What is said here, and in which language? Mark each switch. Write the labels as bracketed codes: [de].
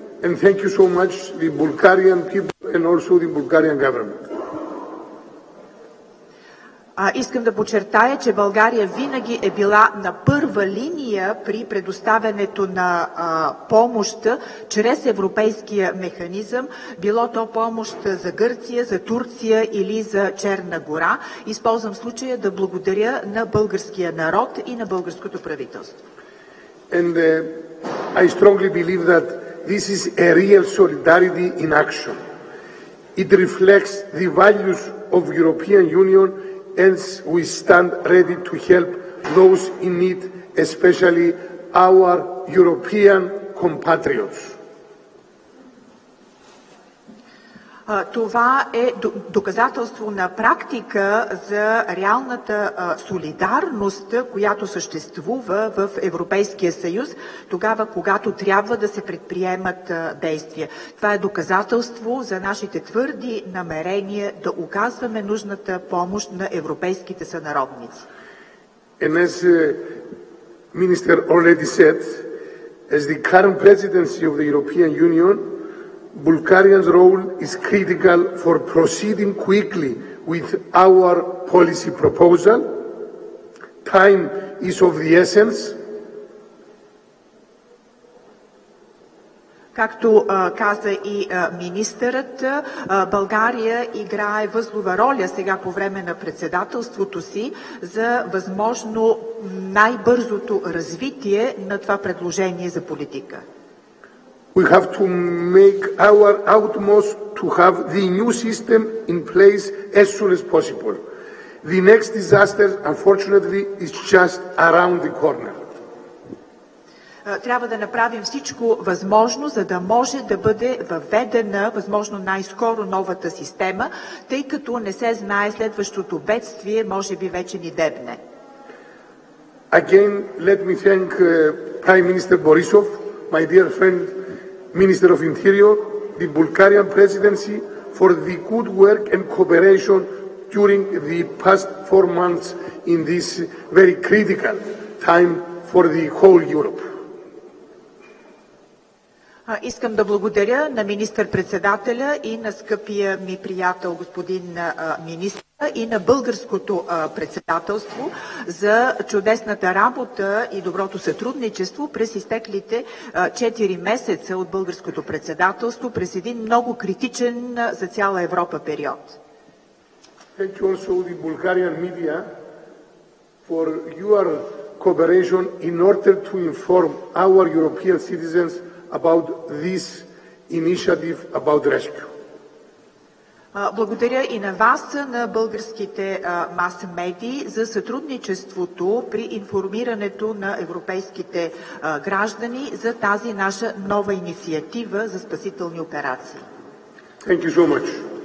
[en] And thank you so much the Bulgarian people and also the Bulgarian government. [bg] Искам да подчертая, че България винаги е била на първа линия при предоставянето на помощ чрез европейския механизъм, било то помощ за Гърция, за Турция или за Черна гора. Използвам случая да благодаря на българския народ и на българското правителство. [en] And I strongly believe that this is a real solidarity in action. It reflects the values of the European Union and we stand ready to help those in need, especially our European compatriots. [bg] Това е доказателство на практика за реалната солидарност, която съществува в Европейския съюз, тогава, когато трябва да се предприемат действия. Това е доказателство за нашите твърди намерения да оказваме нужната помощ на европейските сънародници. [en] And as Minister already said, as the current presidency of the European Union, Bulgaria's role is critical for proceeding quickly with our policy proposal. Time is of the essence. [bg] Както каза и министърът, България играе възлова роля сега по време на председателството си за възможно най-бързото развитие на това предложение за политика. [en] We have to make our utmost to have the new system in place as soon as possible. The next disaster, unfortunately, is just around the corner. [bg] Трябва да направим всичко възможно, за да може да бъде въведена възможно най-скоро новата система, тъй като не се знае следващото бедствие, може би вече ни дебне. [en] Again, let me thank Prime Minister Borisov, my dear friend, Minister of Interior, the Bulgarian Presidency, for the good work and cooperation during the past 4 months in this very critical time for the whole Europe. [bg] Искам да благодаря на министър-председателя и на скъпия ми приятел господин министър и на българското председателство за чудесната работа и доброто сътрудничество през изтеклите 4 месеца от българското председателство през един много критичен за цяла Европа период. [en] Thank you also to the Bulgarian media for your cooperation in order to inform our European citizens about this initiative about rescue. [bg] Благодаря и на вас, на българските мас-медии, за сътрудничеството при информирането на европейските граждани за тази наша нова инициатива за спасителни операции. [en] Thank you so much.